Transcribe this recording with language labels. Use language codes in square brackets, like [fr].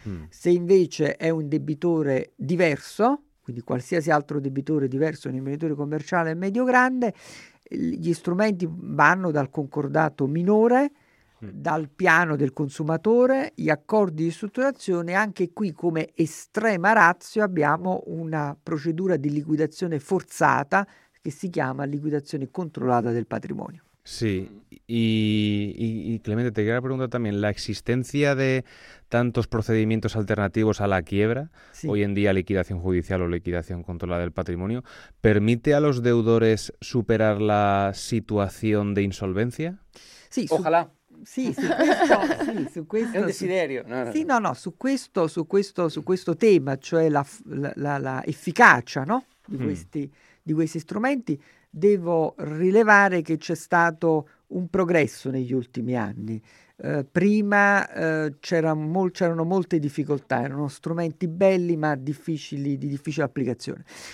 [it] Se invece è un debitore diverso, quindi qualsiasi altro debitore diverso, un imprenditore commerciale medio-grande, gli strumenti vanno dal concordato minore dal piano del consumatore gli accordi di ristrutturazione. Anche qui, come estrema ratio, abbiamo una procedura di liquidazione forzata che si chiama liquidazione controllata del patrimonio. [es] Sí, y Clemente, te quería preguntar también, ¿la existencia de tantos procedimientos alternativos a la quiebra, sí, hoy en día liquidación judicial o liquidación controlada del patrimonio, permite a los deudores superar la situación de insolvencia? Sí, ojalá. [it] Sì, su questo. È un desiderio. Su questo tema, cioè la efficacia, no? di questi strumenti, devo rilevare che c'è stato un progresso negli ultimi anni. Prima c'erano molte difficoltà, erano strumenti belli ma di difficile applicazione.